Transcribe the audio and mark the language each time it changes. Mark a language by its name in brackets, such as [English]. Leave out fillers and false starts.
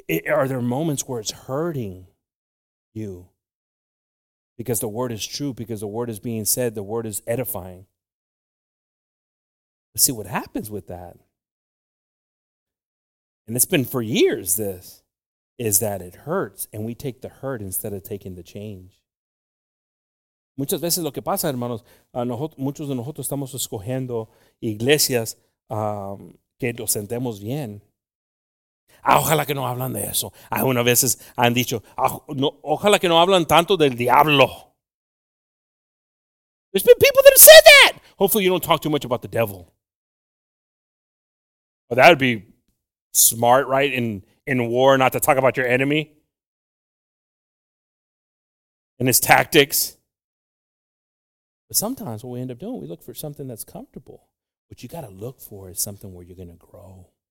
[English] Are there moments where it's hurting you because the Word is true, because the Word is being said, the Word is edifying? Let's see what happens with that. And it's been for years, this is that it hurts, and we take the hurt instead of taking the change. [Spanish] Muchas veces lo que pasa, hermanos, muchos de nosotros estamos escogiendo iglesias que nos sentemos bien. Ojalá que no hablan de eso. Algunas veces han dicho, ojalá que no hablan tanto del diablo. [English] There's been people that have said that. Hopefully you don't talk too much about the devil. But that would be smart, right, in war not to talk about your enemy and his tactics. But sometimes what we end up doing, we look for something that's comfortable. What you got to look for is something where you're going to grow.